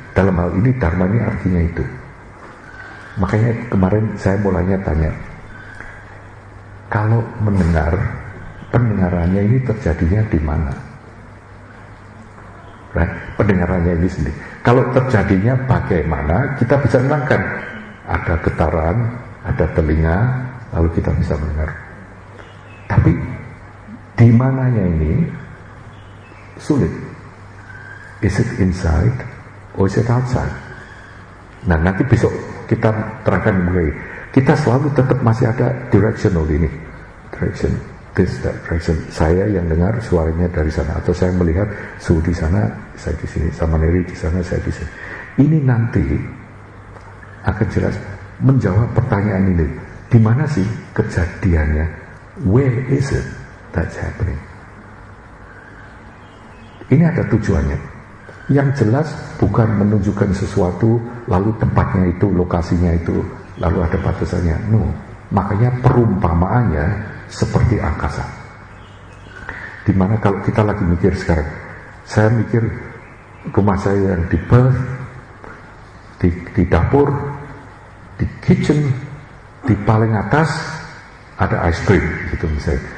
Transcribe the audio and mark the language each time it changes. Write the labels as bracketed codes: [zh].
[id] Dalam hal ini Dharma ini artinya itu. Makanya kemarin saya mulanya tanya, kalau mendengar, pendengarannya ini terjadinya di mana? Right? Pendengarannya ini sendiri. Kalau terjadinya bagaimana, kita bisa menangkan. Ada getaran, ada telinga, lalu kita bisa mendengar. Tapi di mananya ini sulit. [en] Is it inside or is it outside? [id] Nah, nanti besok kita terangkan mengenai. Kita selalu tetap masih ada directional ini. [en] Direction, this, that direction. [id] Saya yang dengar suaranya dari sana. Atau saya melihat suhu di sana, saya di sini. Sama Neri di sana, saya di sini. Ini nanti akan jelas menjawab pertanyaan ini. Di mana sih kejadiannya? [en] Where is it that's happening? [id] Ini ada tujuannya. Yang jelas bukan menunjukkan sesuatu lalu tempatnya itu, lokasinya itu, lalu ada batasannya. No. Makanya perumpamaannya seperti angkasa. Dimana kalau kita lagi mikir sekarang, saya mikir rumah saya yang di Perth, di dapur, di kitchen, di paling atas ada ice cream gitu misalnya.